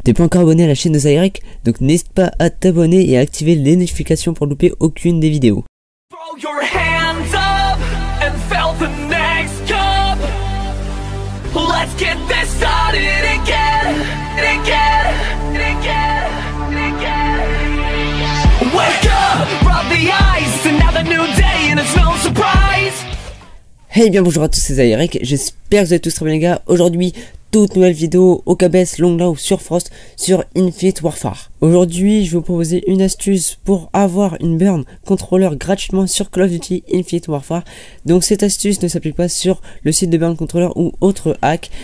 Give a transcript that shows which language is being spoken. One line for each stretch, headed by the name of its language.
French: T'es pas encore abonné à la chaîne de Zyrek? Donc n'hésite pas à t'abonner et à activer les notifications pour louper aucune des vidéos.
English: Throw your hands up and fill the next cup. Let's get this started again, again, again, again. Wake up, rub the eyes, another new day and it's no surprise.
French: Hey bien bonjour à tous, c'est Zyrek, j'espère que vous êtes tous très bien les gars. Aujourd'hui, toute nouvelle vidéo au KBS Long Law sur Frost sur Infinite Warfare. Aujourd'hui, je vais vous proposer une astuce pour avoir une burn contrôleur gratuitement sur Call of Duty Infinite Warfare. Donc cette astuce ne s'applique pas sur le site de burn contrôleur ou autre hack.